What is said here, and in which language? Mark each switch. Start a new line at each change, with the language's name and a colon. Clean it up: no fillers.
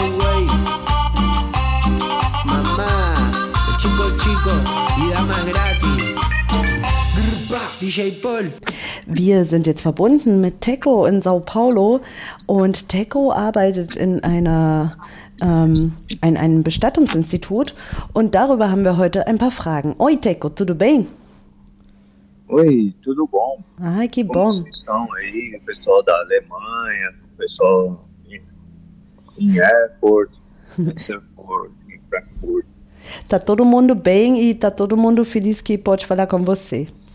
German: Mamá, el chico chico y dama gratis. DJ Paul. Wir sind jetzt verbunden mit Teco in Sao Paulo und Teco arbeitet in einer in einem Bestattungsinstitut und darüber haben wir heute ein paar Fragen.
Portuguese: Oi, Teco, tudo bem? Oi, tudo bom? Ai, que bom. Como vocês estão aí, o pessoal da Alemanha, o pessoal em Erfurt, em Frankfurt. Tá todo mundo bem e tá todo mundo feliz que pode falar com você.